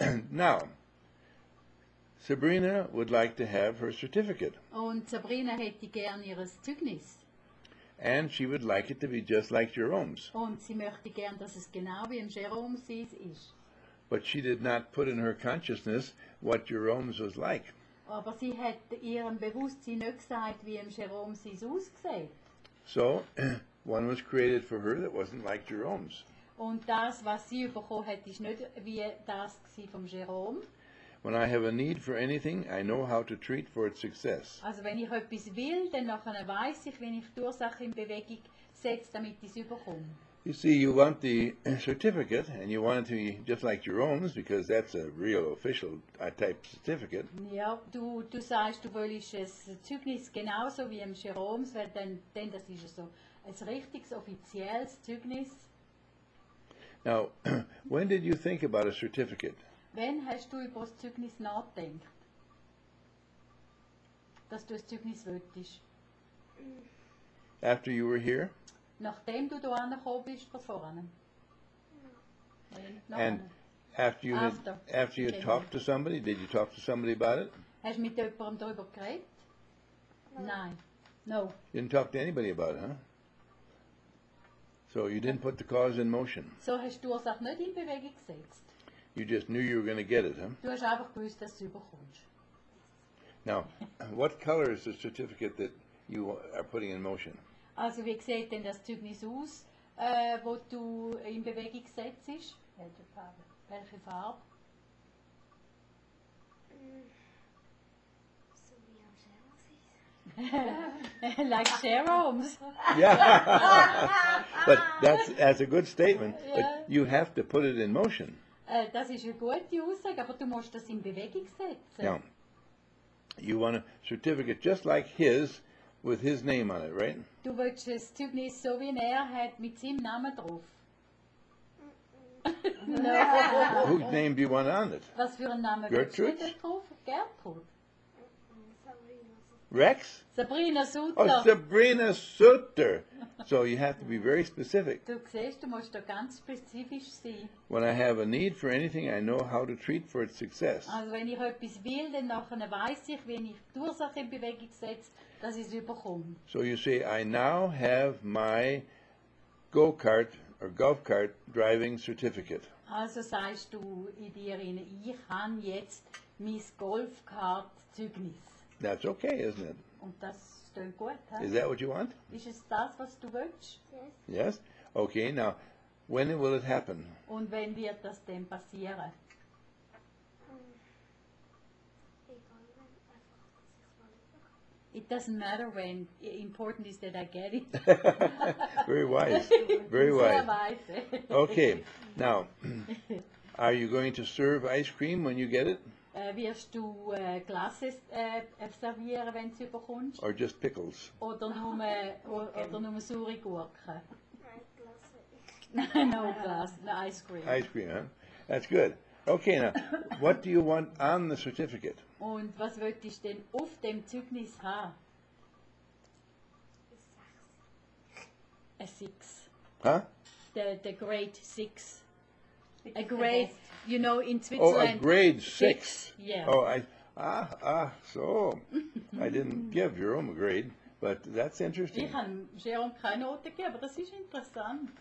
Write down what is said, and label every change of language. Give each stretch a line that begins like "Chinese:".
English: Now, Sabrina would like to have her certificate.
German: Und Sabrina hätte gern ihr Zeugnis.
English: And she would like it to be just like Jerome's.
German: Und sie möchte gern, dass es genau wie im Jerome's ist.
English: But she did not put in her consciousness what Jerome's was like.
German: Aber sie hat ihrem Bewusstsein nicht gesagt, wie im Jerome's aussieht.
English: So, one was created for her that wasn't like Jerome's.
German: Und das, was sie bekommen hat, ist nicht wie das vom Jerome.
English: When I have a need for anything, I know how to treat for its success.
German: Also wenn ich etwas will, dann weiß ich, wenn ich die Ursache in Bewegung setze, damit ich es überkomme.
English: You see, you want the certificate, and you want it to be just like your own, because that's a real official type certificate.
German: Ja, du sagst, du willst ein Zeugnis genauso wie im Jerome's, weil denn das ist so ein richtiges offizielles Zeugnis.
English: Now, when did you think about a certificate?
German: Wann hast du über das Zeugnis nachgedacht, dass du ein Zeugnis wolltest?
English: After you were here?
German: Nachdem du da angekommen bist, von vorne.
English: And after you had talked to somebody, did you talk to somebody about it?
German: Hast du mit jemandem darüber geredet? Nein.
English: No. You didn't talk to anybody about it, huh? So you didn't put the cause in motion.
German: So hast du Ursache nicht in Bewegung gesetzt.
English: You just knew you were going to get it, huh?
German: Du hast einfach gewusst, dass du bekommst.
English: Now, what color is the certificate that you are putting in motion?
German: Also, wie sieht denn das Zeugnis aus, wo du in Bewegung gesetzt hast? Welche Farbe? Welche Farbe?
English: Like Jerome's. Yeah. But that's a good statement. Yeah. But you have to put it in motion.
German: Das ist eine gute Aussage, aber du musst das in Bewegung setzen.
English: Now, you want a certificate just like his, with his name on it, right?
German: Du willst das Zeugnis so wie er hat, mit seinem Namen drauf.
English: No. Whose name do you want on it?
German: Was für ein Name willst du drauf? Gertrud?
English: Rex? Sabrina Sutter. Oh, Sabrina Sutter. So you have to be very specific.
German: Du siehst, du musst da ganz spezifisch sein.
English: When I have a need for anything, I know how to treat for its success.
German: Also wenn ich etwas will, dann nachher weiß ich, wenn ich die Ursache in Bewegung setze, dass ich es überkomme.
English: So you say, I now have my go-kart or golf-kart driving certificate.
German: Also sagst du in dir, ich habe jetzt mein Golf-Kart-Zeugnis.
English: That's okay, isn't it?
German: Und das stimmt gut,
English: is that what you want?
German: Ist es das, was du willst?
English: Yes. Yes? Okay, now, when will it happen?
German: Und wenn wird das denn passieren?
English: It doesn't matter when. Important is that I get it. Very wise. Very wise.
German: Sehr weise.
English: Okay, now, Are you going to serve ice cream when you get it?
German: Wirst du Glasses servieren, wenn du sie bekommst?
English: Or just pickles?
German: Oder nur saure Gurken?
English: No glass, no ice cream. Ice cream, huh? That's good. Okay, now, what do you want on the certificate?
German: Und was wolltest denn auf dem Zeugnis haben?
English: A 6. A 6. Huh? The grade 6. A grade, you know, in Switzerland. Oh, a grade 6. Yeah. Oh, so. I didn't give Jerome a grade, but that's interesting.
German: Ich habe Jerome keine Note gegeben, aber das ist interessant.